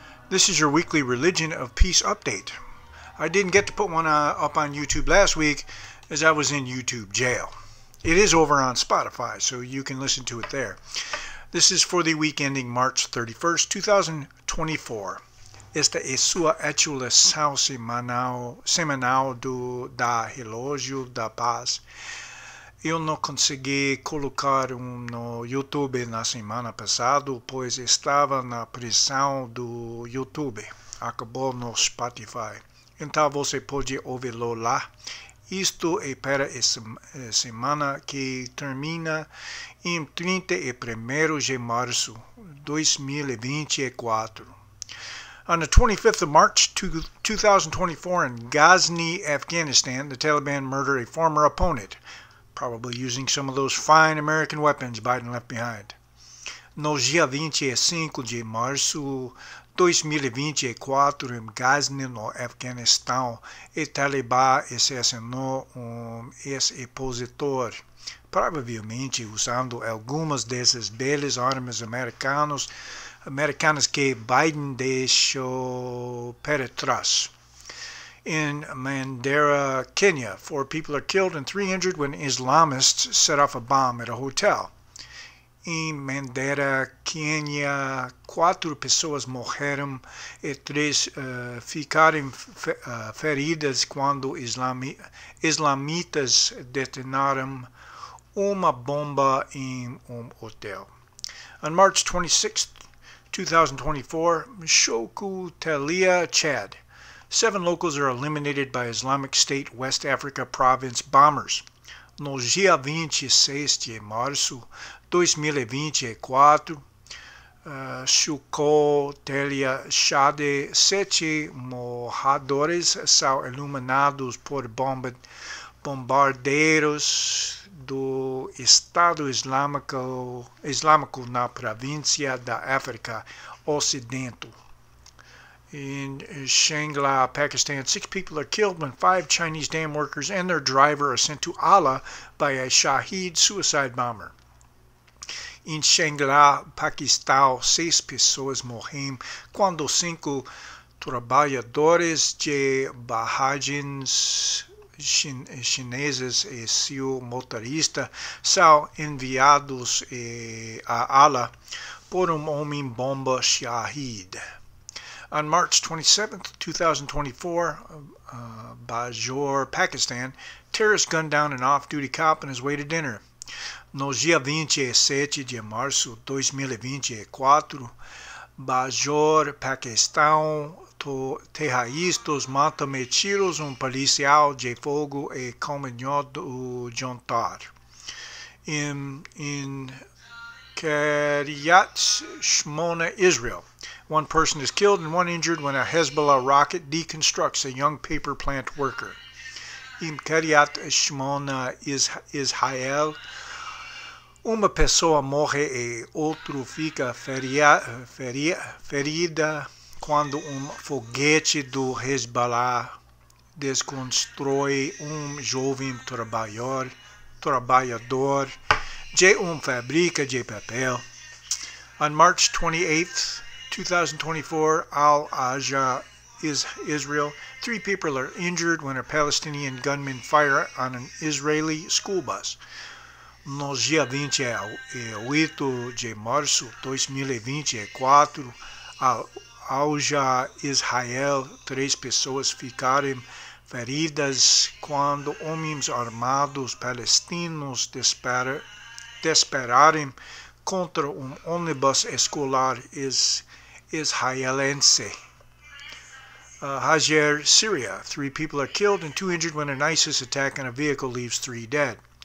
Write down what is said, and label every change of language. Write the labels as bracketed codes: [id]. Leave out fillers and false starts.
[en] This is your weekly Religion of Peace update. I didn't get to put one up on YouTube last week as I was in YouTube jail. It is over on Spotify, so you can listen to it there. This is for the week ending March 31st, 2024. [pt] Esta es sua atualização semanal da Religião da Paz. Eu não consegui colocar no YouTube na semana passada, pois estava na prisão do YouTube. Acabou no Spotify. Então você pode ouvi-lo lá. Isto é para a semana que termina em 31 de março 2024. [en] On the 25th of March 2024 in Ghazni, Afghanistan, the Taliban murdered a former opponent, probably using some of those fine American weapons Biden left behind. [pt] No dia 25 de março 2024, em Ghazni, no Afeganistão, o Talibã assassinou ex-opositor, provavelmente usando algumas dessas belas armas americanas que Biden deixou para trás. [en] In Mandera, Kenya, 4 people are killed and 300 when Islamists set off a bomb at a hotel. [pt] In Mandera, Kenya, 4 pessoas morreram e 3 ficaram feridas quando islamitas detonaram uma bomba em hotel. [en] On March 26, 2024, Shoku Talia, Chad. 7 locals are eliminated by Islamic State West Africa Province bombers. [pt] No dia 26 de março 2024, Shoko Talia Chade, 7 moradores são eliminados por bombardeiros do Estado Islâmico na província da África Ocidental. [en] In Shangla, Pakistan, 6 people are killed when 5 Chinese dam workers and their driver are sent to Allah by a Shahid suicide bomber. [pt] In Shangla, Pakistan, 6 pessoas morreram quando 5 trabalhadores de barragens chineses e seu motorista são enviados a Allah por homem-bomba Shahid. [en] On March 27, 2024, Bajor, Pakistan, terrorist gunned down an off-duty cop on his way to dinner. [pt] No dia 27 de março 2024, Bajor, Pakistan, terroristas mataram a tiros policial de fogo e comeram o jantar. [en] In Kiryat Shmona, Israel. 1 person is killed and 1 injured when a Hezbollah rocket deconstructs a young paper plant worker. [pt] In Kiryat Shmona, Israel, uma pessoa morre e outro fica ferida quando foguete do Hezbollah desconstrói jovem trabalhador de fábrica de papel. [en] On March 28th, 2024, Al-Aja is Israel. 3 people are injured when a Palestinian gunman fired on an Israeli school bus. [pt] No dia 28 de março 2024, Al-Aja Israel, 3 pessoas ficaram feridas quando homens armados palestinos dispararam contra ônibus escolar israelense. [en] Hajar, Syria. 3 people are killed and 2 injured when an ISIS attack on a vehicle leaves 3 dead.